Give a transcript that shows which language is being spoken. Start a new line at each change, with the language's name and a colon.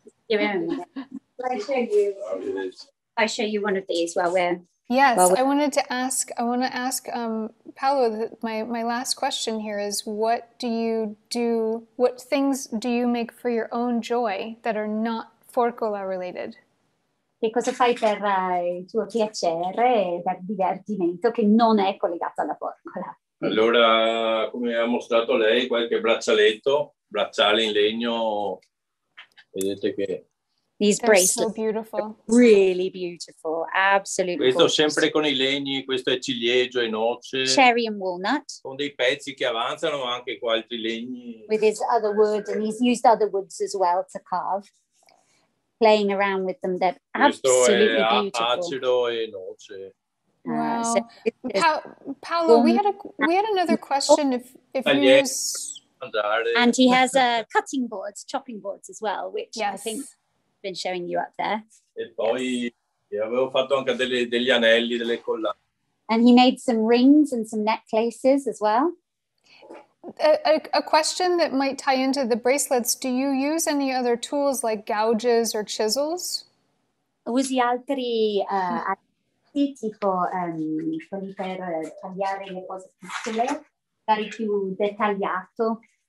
English: I show you one of these while we're... Yes, I wanted to ask, Paolo, my last question here is, what do you do, what things do you make for your own joy that are not forcola related?
Italian: Che cosa fai per il tuo piacere, per divertimento, che non è collegato alla forcola? Allora, come ha mostrato lei, qualche bracciale in legno Vedete che
English: these bracelets are so beautiful. Really beautiful, absolutely.
Italian: Questo
English: gorgeous.
Italian: Sempre con i legni, questo è ciliegio e noce.
English: Cherry and walnut.
Italian: Con dei pezzi che avanzano anche con altri legni.
English: With his other wood, and he's used other woods as well to carve. Playing around with them, they're absolutely beautiful. Paolo, we had another question. If you use, and he has a cutting boards, chopping boards as well, which yes. I think I've been showing you up there.
Italian: E poi
English: yes.
Italian: avevo fatto anche degli anelli, delle collane.
English: And he made some rings and some necklaces as well. A question that might tie into the bracelets, do you use any other tools like gouges or chisels?
Italian: Usi altri attrezzi tipo per tagliare le cose piccole, dare più dettagliato.